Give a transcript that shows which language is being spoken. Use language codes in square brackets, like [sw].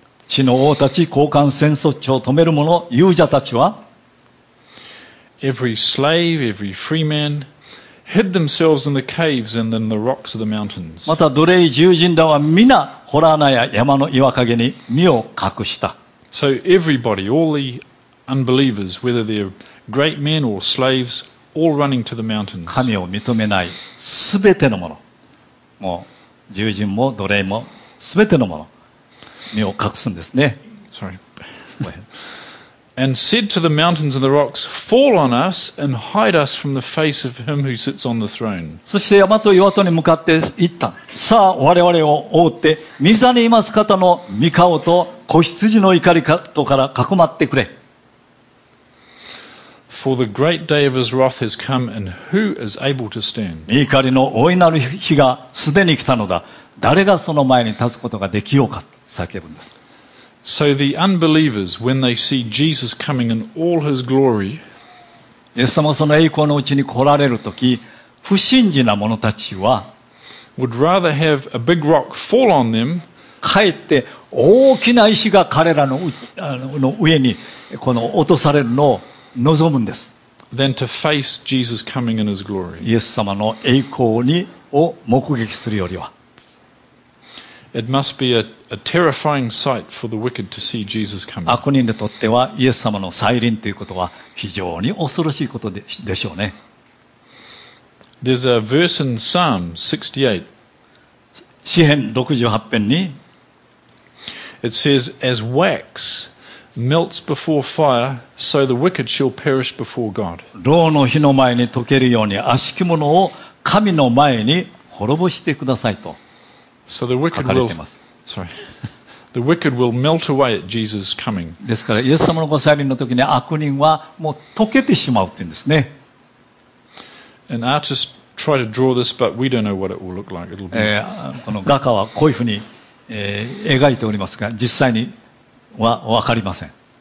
[ja] 地の王たち、高官、戦争地を止める者、勇者たちは。 [en] Every slave, every free man hid themselves in the caves and then the rocks of the mountains. [ja] また奴隷獣人らは皆ホラーナや山の岩陰に身を隠した。 [en] So everybody, all the unbelievers, whether they're great men or slaves, all running to the mountains. [ja] 神を認めない全てのもの、もう獣人も奴隷も全てのもの、身を隠すんですね。 [en] Sorry. And said to the mountains and the rocks, fall on us and hide us from the face of him who sits on the throne. [ja] そして山と岩とに向かって行った。さあ我々を覆って、御座にいます方の御顔と子羊の怒りとから囲まってくれ。 [en] For the great day of his wrath has come, and who is able to stand? [ja] 御怒りの大いなる日がすでに来たのだ。誰がその前に立つことができようか、叫ぶんです。 [en] So the unbelievers, when they see Jesus coming in all his glory, [ja] イエス様がその栄光のうちに来られるとき、不信心な者たちは、 [en] would rather have a big rock fall on them, [ja] かえって大きな石が彼らの上にこの落とされるのを望むんです。 [en] than to face Jesus coming in his glory. [ja] イエス様の栄光にを目撃するよりは、 [en] It must be a terrifying sight for the wicked to see Jesus coming. [ja] 悪人にとってはイエス様の再臨ということは非常に恐ろしいことでしょうね。 [en] There's a verse in Psalm 68. [ja] 詩編68編に、 [en] It says, As wax melts before fire, so the wicked shall perish before God. [ja] 炉の火の前に溶けるように悪しき者を神の前に滅ぼしてくださいと。 [en] So the wicked will, sorry, the wicked will melt away at Jesus' coming. [ja] ですからイエス様のご再臨の時に悪人はもう溶けてしまうって言うんですね。 [en] An artist tried to draw this, but we don't know what it will look like. It'll be... [ja] この画家はこういうふうに、描いておりますが、実際には分かりません。